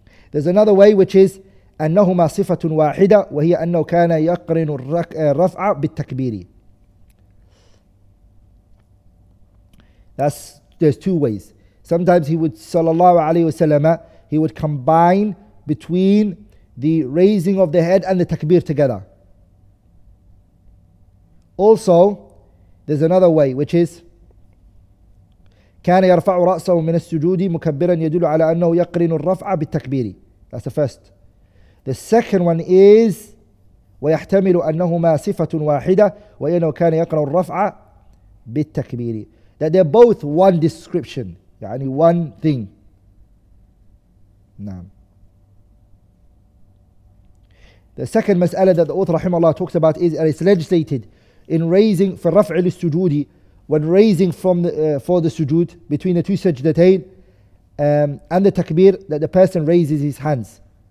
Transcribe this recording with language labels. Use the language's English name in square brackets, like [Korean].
[English] There's another way, which is [Arabic] أَنَّهُمَا صِفَةٌ وَاحِدَةٌ وَهِيَ أَنَّهُ كَانَ يَقْرِنُ الرَّفْعَ بِالتَّكْبِيرِ. [English] There's two ways. Sometimes he would, sallallahu alayhi wa sallam, he would combine between the raising of the head and the takbir together. Also, there's another way, which is [Arabic] كان يرفع رأسه من السجود مكبرا يدل على أنه يقرن الرفع بالتكبير. [English] That's the first. The second one is [Arabic] ويحتمل أنهما صفة واحدة وأنه كان يقرن الرفع بالتكبير. [English] That they're both one description, يعني one thing. [Arabic] نعم. [English] The second mas'ala that the author, rahimahullah, talks about is that it's legislated in raising for raf' al-sujudi, when raising from for the sujood between the two sajdatayn and the takbir, that the person raises his hands.